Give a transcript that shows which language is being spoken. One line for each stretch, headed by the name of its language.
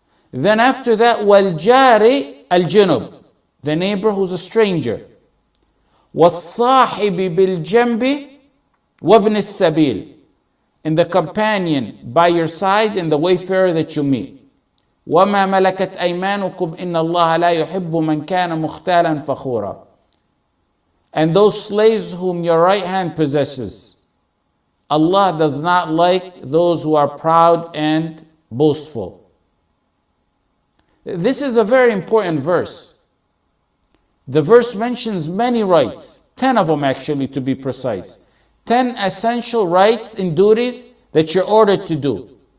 English: Then after that,
Arabic: وَالْجَارِ الْجُنُبِ,
English: the neighbor who's a stranger.
Arabic: وَالصَّاحِبِ بِالْجَنْبِ وَابْنِ السَّبِيلِ,
English: and the companion by your side and the wayfarer that you meet.
Arabic: وَمَا مَلَكَتْ أَيْمَانُكُمْ إِنَّ اللَّهَ لَا يُحِبُّ مَنْ كَانَ مُخْتَالًا فَخُورًا,
English: and those slaves whom your right hand possesses. Allah does not like those who are proud and boastful. This is a very important verse. The verse mentions many rights, 10 of them actually to be precise. 10 essential rights and duties that you're ordered to do.